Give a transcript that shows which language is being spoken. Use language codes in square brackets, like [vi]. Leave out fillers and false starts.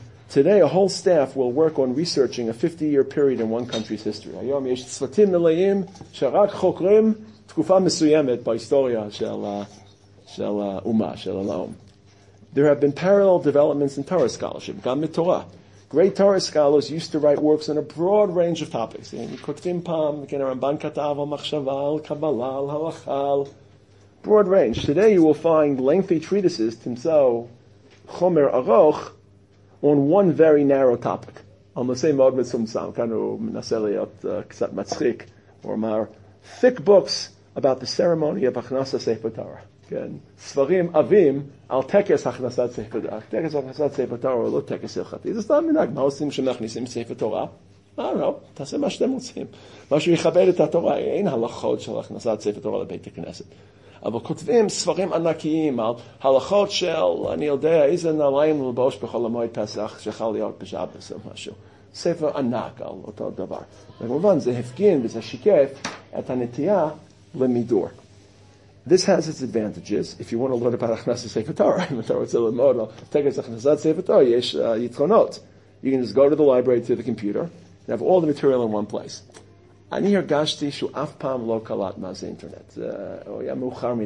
[en] Today, a whole staff will work on researching a 50-year period in one country's history. [he] היום יש צוותים מלאים שרק חוקרים תקופה מסוימת בהיסטוריה של האומה, של הלאום. [en] There have been parallel developments in Torah scholarship, [he] גם מתורה. [en] Great Torah scholars used to write works on a broad range of topics. [he] כותבים פעם, כן, הרמב"ן כתב על מחשבה, על קבלה, על הלכה, [en] broad range. Today you will find lengthy treatises, [he] תמצאו חומר ארוך, [en] on one very narrow topic. [he] על נושא מאוד מצומצם, כאן הוא מנסה להיות קצת מצחיק, הוא אמר, [en] thick books about the ceremony of [he] הכנסת ספר תורה. כן, ספרים עבים על טקס הכנסת ספר תורה. טקס הכנסת ספר תורה הוא לא טקס הלכתי, זה סתם מנהג. מה עושים כשמכניסים ספר תורה? לא, לא, תעשה מה שאתם רוצים. מה שיכבד את התורה, אין הלכות של הכנסת ספר תורה לבית הכנסת. אבל כותבים ספרים ענקיים על הלכות של, אני יודע, איזה נעליים ללבוש בחול המועד פסח שחל להיות בשבת או משהו. ספר ענק על אותו דבר. וכמובן זה הפגין וזה שיקף את הנטייה למידור. [en] This has its advantages if you want to learn about Hachnasa Sefer Torah. If you want to learn about Hachnasa Sefer Torah, there are yitronot. You can just go to the library, to the computer, and have all the material in one place. I felt that he never knew what is the internet. He was too late for me.